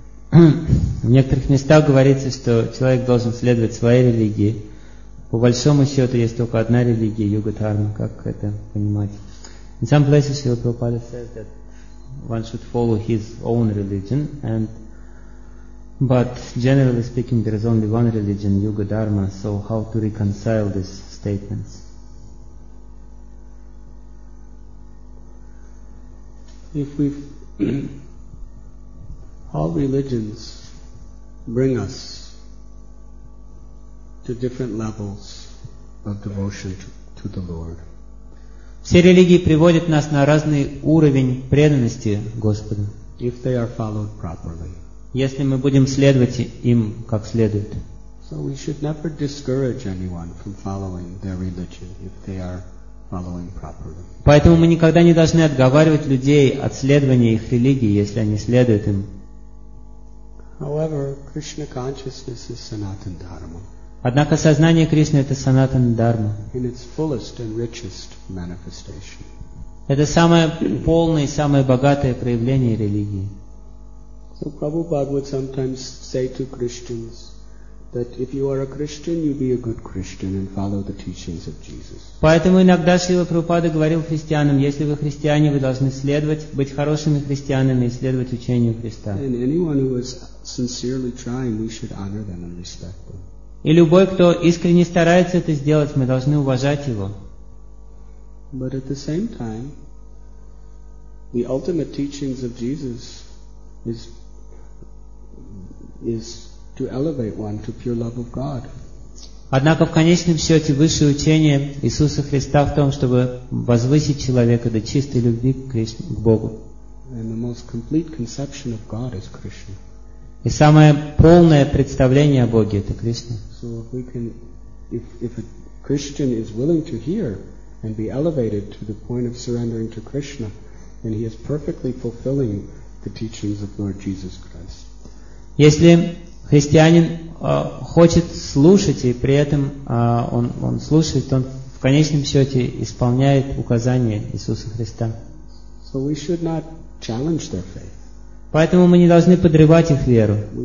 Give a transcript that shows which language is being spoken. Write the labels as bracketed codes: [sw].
[ru] В некоторых местах говорится, что человек должен следовать своей религии. По большому счету есть только одна религия, йога-дхарма. Как это понимать? [en] In some places, Srila Prabhupada says that one should follow his own religion, but generally speaking, there is only one religion, Yuga Dharma. So, how to reconcile these statements? If we all religions bring us to different levels of devotion to the Lord. [ru] Все религии приводят нас на разный уровень преданности Господу. [en] If they are followed properly. [ru] Если мы будем следовать им как следует. [en] So we should never discourage anyone from following their religion if they are following properly. [ru] Поэтому мы никогда не должны отговаривать людей от следования их религии, если они следуют им. [en] However, Krishna consciousness is Sanatana Dharma. [ru] Однако сознание Кришны это Санатана Дхарма. [en] In its fullest and richest manifestation. [ru] Это самое полное и самое богатое проявление религии. [en] So Prabhupada would sometimes say to Christians that if you are a Christian, you be a good Christian and follow the teachings of Jesus. [ru] Поэтому иногда Шрила Прабхупада говорил христианам, если вы христиане, вы должны следовать, быть хорошими христианами и следовать учению Христа. [en] And anyone who is sincerely trying, we should honor them and respect them. [ru] И любой, кто искренне старается это сделать, мы должны уважать его. [en] But at the same time, the ultimate teachings of Jesus is to elevate one to pure love of God. [ru] Однако в конечном счете высшее учение Иисуса Христа в том, чтобы возвысить человека до чистой любви к Богу. [en] And the most complete conception of God is Krishna. [ru] И самое полное представление о Боге это Кришна. [en] So if we can, if a Christian is willing to hear and be elevated to the point of surrendering to Krishna, then he is perfectly fulfilling the teachings of Lord Jesus Christ. [ru] Если христианин хочет слушать и при этом он слушает, он в конечном счете исполняет указания Иисуса Христа. [en] So we should not challenge their faith. [ru] Поэтому мы не должны подрывать их веру.